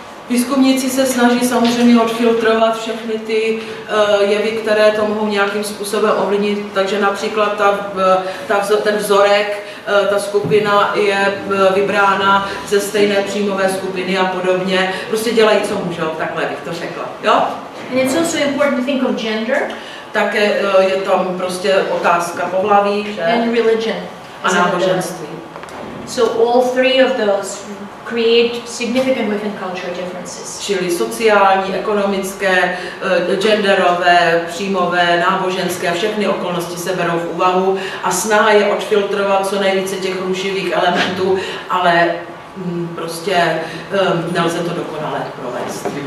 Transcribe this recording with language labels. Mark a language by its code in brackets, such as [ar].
[cs] Výzkumníci se snaží samozřejmě odfiltrovat všechny ty jevy, které to mohou nějakým způsobem ovlivnit. Takže například ten vzorek, ta skupina je vybrána ze stejné příjmové skupiny a podobně. Prostě dělají, co můžou, takhle bych to řekla. Jo? [en] And it's also important to think of gender. [cs] Také je tam prostě otázka pohlaví, že? [en] And religion. [cs] A náboženství. [en] So all three of those create significant within cultural differences. [cs] Čili sociální, ekonomické, genderové, příjmové, náboženské, všechny okolnosti se berou v úvahu a snaha je odfiltrovat co nejvíce těch rušivých elementů, ale prostě nelze to dokonale provést.